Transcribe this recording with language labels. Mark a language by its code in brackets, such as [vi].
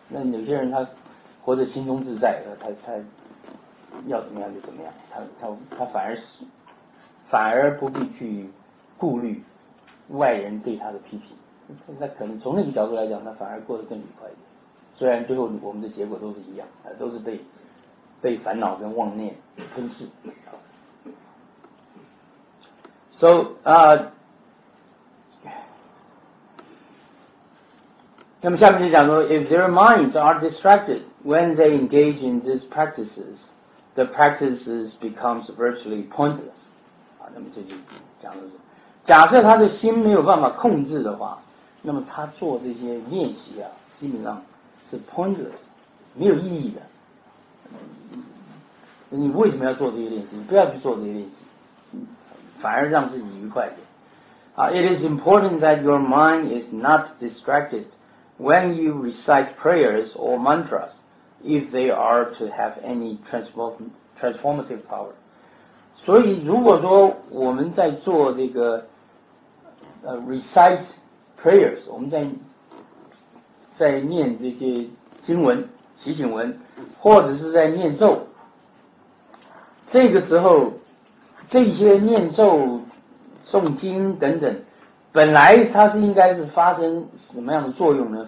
[zh] 那有些人他活得轻松自在，他要怎么样就怎么样，他反而不必去顾虑外人对他的批评，那可能从那个角度来讲他反而过得更愉快一点，虽然最后我们的结果都是一样，都是被烦恼跟妄念吞噬。 [en] So if their minds are distracted when they engage in these practices, the practices become virtually pointless. [zh] 那么这就讲了，假设他的心没有办法控制的话，那么他做这些练习啊，基本上是 pointless， 没有意义的。你为什么要做这些练习？你不要去做这些练习，反而让自己愉快点。 [en] It is important that your mind is not distracted. When you recite prayers or mantras, if they are to have any transformative power. [zh] 所以如果说我们在做这个 [en] recite prayers, [zh] 我们在念这些经文祈请文或者是在念咒，这个时候这些念咒诵经等等本来它是应该是发生什么样的作用呢？